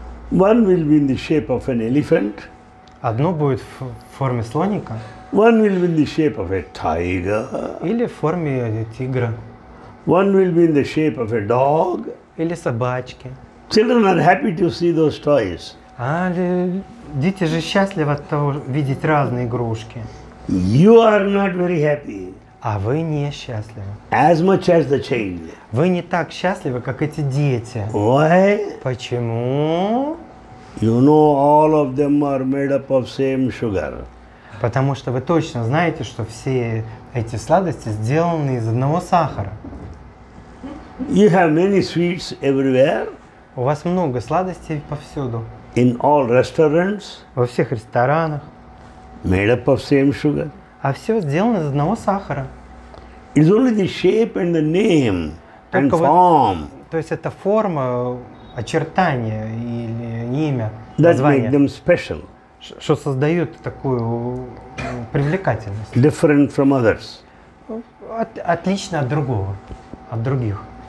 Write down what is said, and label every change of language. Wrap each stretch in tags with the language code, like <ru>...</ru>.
<en>One will be in the shape of an elephant.</en> <ru>Одно будет в форме слоника.</ru> <en>One will be in the shape of a tiger.</en> <ru>Или в форме тигра.</ru> <en>One will be in the shape of a dog.</en> <ru>Или собачки.</ru> <en>Children are happy to see those toys.</en> <ru>А дети же счастливы от того, видеть разные игрушки.</ru> <en>You are not very happy.</en> <ru>А вы не счастливы.</ru> <en>As much as the children.</en> <ru>Вы не так счастливы, как эти дети.</ru> <en>Why?</en> <ru>Почему?</ru> <en>You know all of them are made up of same sugar.</en> <ru>Потому что вы точно знаете, что все эти сладости сделаны из одного сахара.</ru> <en>You have many sweets everywhere.</en> <ru>У вас много сладостей повсюду.</ru> <en>In all restaurants.</en> <ru>Во всех ресторанах.</ru> <en>Made up of same sugar.</en> <ru>А все сделано из одного сахара.</ru> <en>It's only the shape and the name and form.</en> <ru>То есть это форма, очертания или имя,</ru> <en>that</en> <ru>название.</ru> <en>Make them special.</en> <ru>Что создает такую привлекательность.</ru> <en>Different from others.</en> <ru>Отлично от другого, от других.</ru>